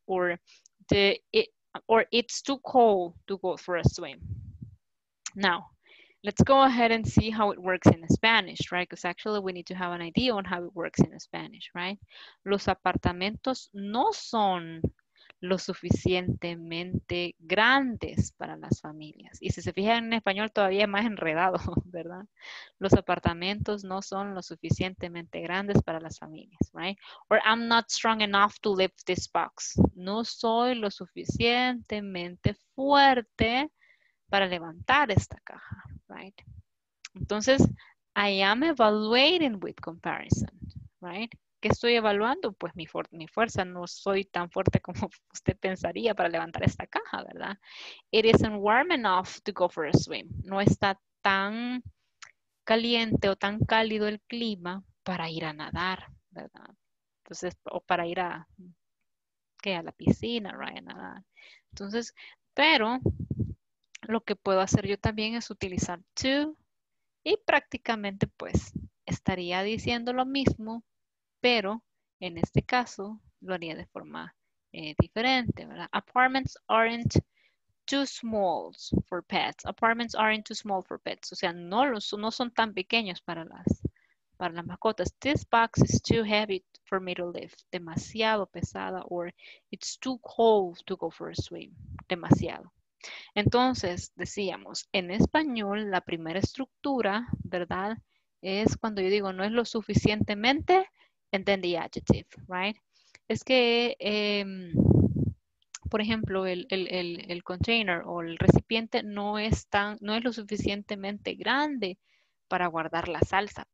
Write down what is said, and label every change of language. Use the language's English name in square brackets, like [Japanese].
[English] Or it's too cold to go for a swim. Now, let's go ahead and see how it works in Spanish, right? Because actually we need to have an idea on how it works in Spanish, right? [Spanish] Los apartamentos no son lo suficientemente grandes para las familias. Y si se fijan en español, todavía es más enredado, ¿verdad? Los apartamentos no son lo suficientemente grandes para las familias, right? [English] Or I'm not strong enough to lift this box. [Spanish] No soy lo suficientemente fuerte para levantar esta caja, right? [English] Entonces, I am evaluating with comparison, right? [Spanish] ¿Qué estoy evaluando? Pues mi fuerza. No soy tan fuerte como usted pensaría para levantar esta caja, ¿verdad? [English] It isn't warm enough to go for a swim. [Spanish] No está tan caliente o tan cálido el clima para ir a nadar, ¿verdad? Entonces, o para ir a, ¿qué? A la piscina, right? A nadar. Entonces, pero lo que puedo hacer yo también es utilizar to. Y prácticamente, pues, estaría diciendo lo mismo, pero en este caso lo haría de forma diferente, ¿verdad? [English] Apartments aren't too small for pets. Apartments aren't too small for pets. [Spanish] O sea, no son tan pequeños para las mascotas. [English] This box is too heavy for me to lift. [Spanish] Demasiado pesada. [English] Or it's too cold to go for a swim. [Spanish] Demasiado. Entonces, decíamos, en español, la primera estructura, ¿verdad? Es cuando yo digo, no es lo suficientemente, [English] and then the adjective, right? [Spanish] Es que, por ejemplo, el container o el recipiente no es lo suficientemente grande para guardar la salsa.